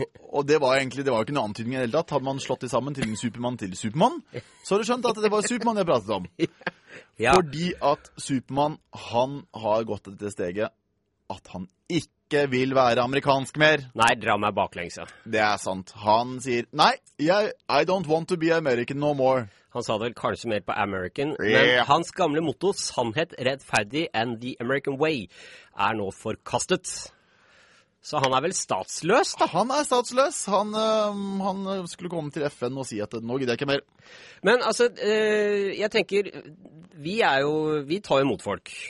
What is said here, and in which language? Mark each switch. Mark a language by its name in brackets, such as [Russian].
[Norwegian] og det var egentlig, det var ikke noen antydning I det hele tatt. Hadde man slått det sammen til en supermann til supermann, så hadde du skjønt at det var supermann jeg pratet om. Ja. Fordi at supermann, han har gått til det steget at han ikke vil være amerikansk mer. Nei, dra meg baklengs, ja. Det sant. Han sier, nei, [English] I don't want to be American no more. [Norwegian] Han sa det kanskje mer på American, men hans gamle motto, sannhet, rettferdig, [English] and the American way, [Norwegian] nå forkastet. Så han vel statsløs da? Han statsløs. Han, han skulle komme til FN og si at nå gidder jeg ikke mer. Men altså, jeg tenker, vi jo, vi tar imot folk.